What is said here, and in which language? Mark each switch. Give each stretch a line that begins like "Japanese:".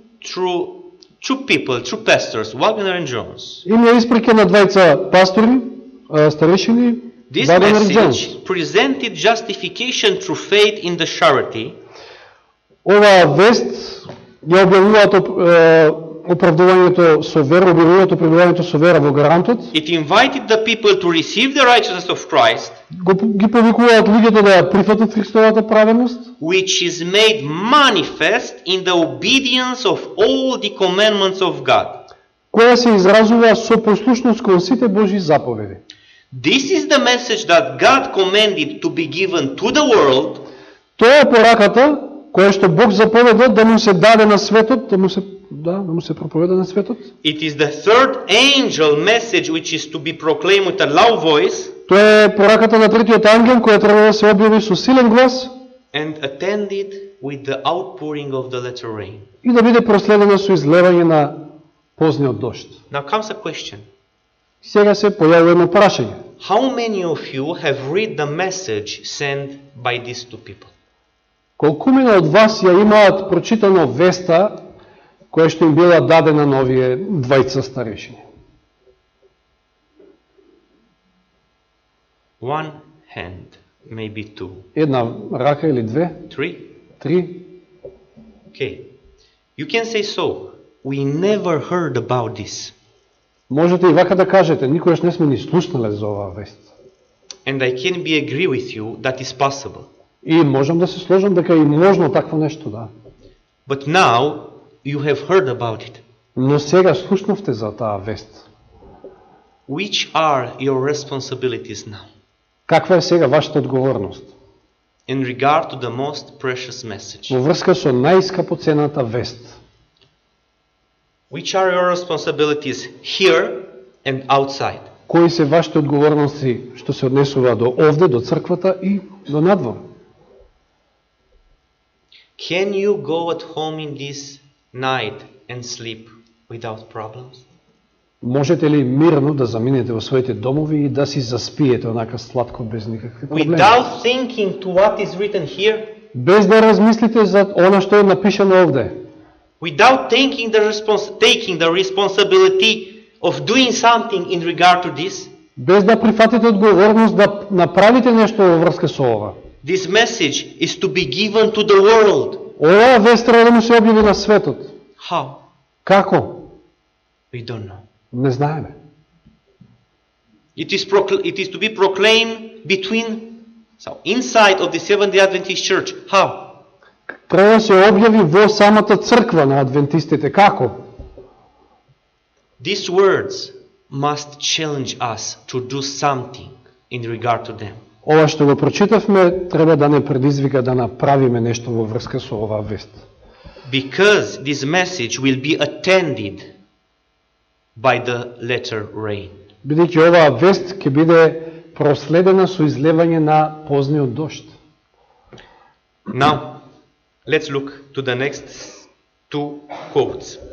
English: through two people, two pastors, Wagner and Jones.
Macedonian: Им ја испрати на двајца пастори, старешини.
English: This message presented justification through faith in the charity.
Macedonian: Оваа вест ја објавуваат оправдувањето со вера, објавуваат оправдувањето со вера во гарантот.
English: It invited the people to receive the righteousness of Christ.
Macedonian: Ги повикуваат луѓето да ја прифатат Христовата праведност,
English: which is made manifest in the obedience of all the commandments of God.
Macedonian: Која се изразува со послушност кон сите Божји заповеди.
English: This is the message that God commanded to be given to the world.
Macedonian: Тоа е пораката која што Бог заповедал да му се даде на светот, да му се проповеда на светот.
English: It is the third angel message which is to be proclaimed with a loud voice.
Macedonian: Тоа е пораката на третиот ангел која треба да се објави со силен глас.
English: And attended with the outpouring of the latter rain.
Macedonian: И да биде проследена со излевање на позниот дожд.
English: Now comes a question.
Macedonian: Сега се појавува едно прашање.
English: How many of you have read the message sent by these two people?
Macedonian: Колкумина од вас ја имаат прочитано веста која што им била дадена на овие двајца старешини?
English: One hand, maybe two.
Macedonian: Една рака или две? Три.
English: Okay. You can say so. We never heard about this.
Macedonian: Можете и вака да кажете, никогаш не сме ни слушнале за оваа вест.
English: And I can be agree with you that is possible.
Macedonian: И можам да се сложам дека е можно такво нешто, да.
English: But now you have heard about it.
Macedonian: Но сега слушнавте за таа вест.
English: Which are your responsibilities now?
Macedonian: Каква е сега вашата одговорност?
English: In regard to the most precious message.
Macedonian: Во врска со најскапоцената вест.
English: Which are your responsibilities here and outside?
Macedonian: Кои се вашите одговорности што се однесува до овде, до црквата и до надвор?
English: Can you go at home in this night and sleep without problems?
Macedonian: Можете ли мирно да заминете во своите домови и да си заспиете онака сладко без никакви проблеми?
English: Without thinking to what is written here?
Macedonian: Без да размислите за она што е напишано овде.
English: Without thinking the taking the responsibility of doing something in regard to this,
Macedonian: без да прифатите одговорност да направите нешто во врска со ова.
English: This message is to be given to the world.
Macedonian: Оваа вест треба да му се објави на светот.
English: How?
Macedonian: Како?
English: We don't know.
Macedonian: Не знаеме.
English: It is to be proclaimed between, so inside of the Seventh-day Adventist Church. How?
Macedonian: Треба се објави во самата црква на адвентистите. Како?
English: These words must challenge us to do something in regard to them.
Macedonian: Ова што го прочитавме треба да не предизвика да направиме нешто во врска со оваа вест.
English: Because this message will be attended by the latter rain.
Macedonian: Бидејќи оваа вест ќе биде проследена со излевање на позниот дожд.
English: Now, let's look to the next two quotes.